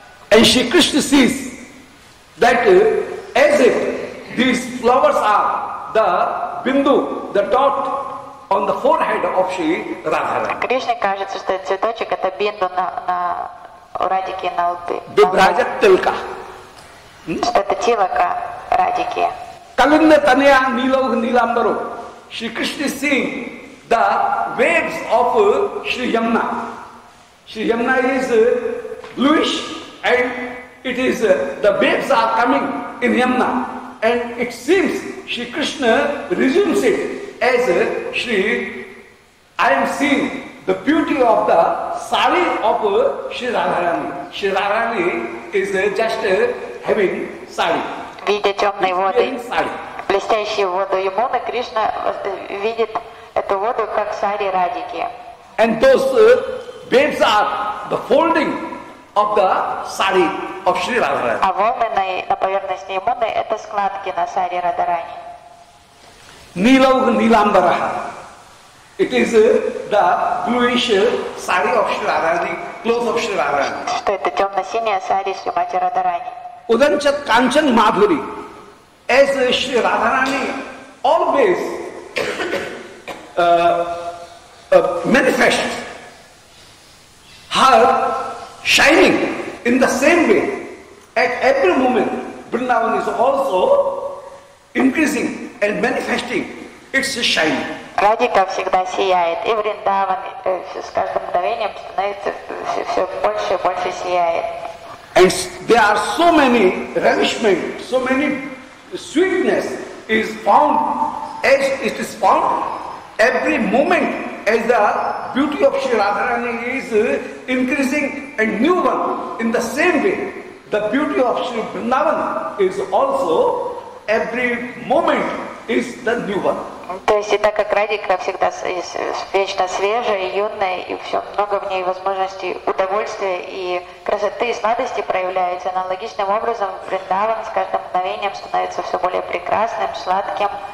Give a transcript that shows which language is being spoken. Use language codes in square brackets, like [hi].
[en] And Shri Krishna sees that as if these flowers are the bindu, the dot on the forehead of Shri Radharani. [ru] Кришне кажется, что цветочек это бинду на Радике на лбу. [sa] Vibraja Tilka. [ru] Это тилака Радики. [sa] Kalinda Tanaya Nilauh Nilambaru. [en] Shri Krishna seeing the waves of Shri Yamuna. Shri Yamuna is bluish and it is the waves are coming in Yamuna. And it seems Shri Krishna resumes it as Shri, I am seeing the beauty of the sari of Shri Radharani. Shri Radharani is just having sari. [ru] Видя темные воды, блестящую воду Ямуны, Кришна видит эту воду как сари Радики. [en] And those waves are the folding of the sari of Shri Radharani. [ru] А волны на поверхности Ямуны это складки на сари Радарани. [sa] Нилаугу Ниламбараха. [en] It is the bluish sari of Shri Radharani, clothes of Shri Radharani. [ru] Что это темно-синяя сари Шримати Радарани. [sa] Udanchat Kanchan Madhuri. [en] As Shri Radharani always manifests her shining in the same way. At every moment, Vrindavan is also increasing and manifesting its shining. [ru] Радика всегда сияет, и Вриндаван с каждым мгновением становится все больше и больше сияет. [en] And there are so many relishment, so many sweetness is found as it is found every moment as the beauty of Shri Radharani is increasing and new one. In the same way, the beauty of Shri Vrindavan is also every moment is the new one. [ru] То есть, и так как Радика всегда вечно свежая и юная, и все много в ней возможностей удовольствия и красоты и сладости проявляется, аналогичным образом Вриндаван с каждым мгновением становится все более прекрасным, сладким